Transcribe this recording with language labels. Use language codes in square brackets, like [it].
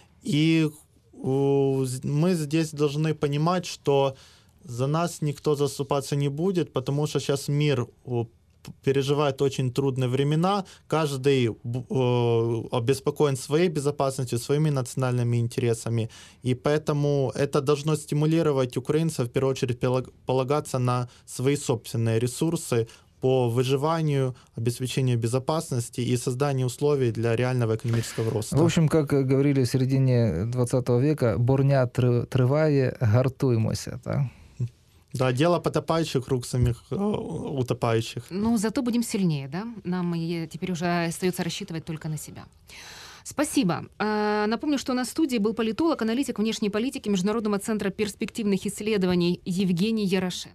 [ru] И мы здесь должны понимать, что за нас никто заступаться не будет, потому что сейчас мир переживает очень трудные времена, каждый обеспокоен своей безопасностью, своими национальными интересами, и поэтому это должно стимулировать украинцев, в первую очередь, полагаться на свои собственные ресурсы по выживанию, обеспечению безопасности и созданию условий для реального экономического роста. В общем, как говорили в середине 20 века, [uk] «Бурня триває, гартуємося», [ru] так? Да, дело потопающих рук самих утопающих. Ну, зато будем сильнее, да? Нам теперь уже остается рассчитывать только на себя. Спасибо. Напомню, что у нас в студии был политолог, аналитик внешней политики Международного центра перспективных исследований Евгений Ярошенко.